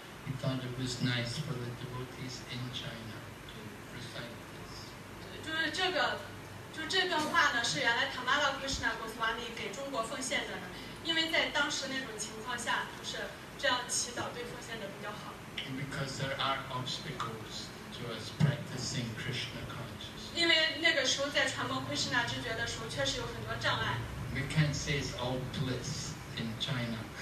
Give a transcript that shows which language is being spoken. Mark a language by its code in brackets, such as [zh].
[en] He thought it was nice for the devotees in China to recite this. [zh] 就这个话呢，是原来Tamala Krishna Goswami给中国奉献的，因为在当时那种情况下，就是这样祈祷对奉献的比较好。 [en] And because there are obstacles to us practicing Krishna consciousness. [zh] 因为那个时候在传播昆士那知觉的时候，确实有很多障碍。 [en] We can't say it's all bliss in China.